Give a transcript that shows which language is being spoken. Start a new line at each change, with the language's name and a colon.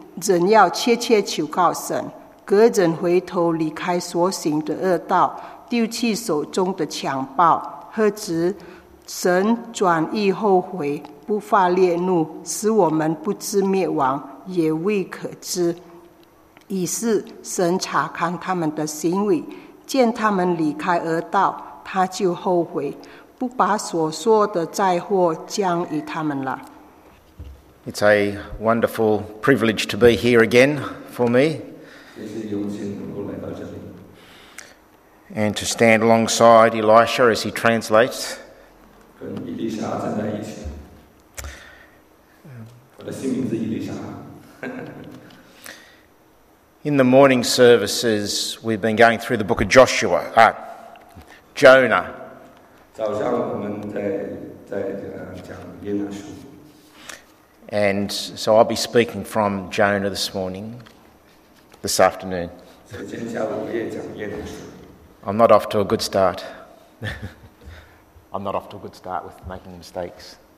Chinese: 人要切切求告神，个人回头离开所行的恶道，丢弃手中的强暴，何止神转意后悔，不发烈怒，使我们不知灭亡，也未可知。以是神查看他们的行为，见他们离开恶道，他就后悔，不把所说的灾祸降于他们了。
English: It's a wonderful privilege to be here again for me.
Chinese: 也是荣幸能够来到这里。
English: And to stand alongside Elisha as he translates.
Chinese: 跟伊丽莎站在一起。我的新名字伊丽莎。
English: In the morning services, we've been going through the book of Joshua, Jonah.
Chinese: 早上我们在讲约拿书。
English: And so I'll be speaking from Jonah this morning, this afternoon.
Chinese: 今天下午我也讲约拿书。
English: I'm not off to a good start. I'm not off to a good start with making mistakes.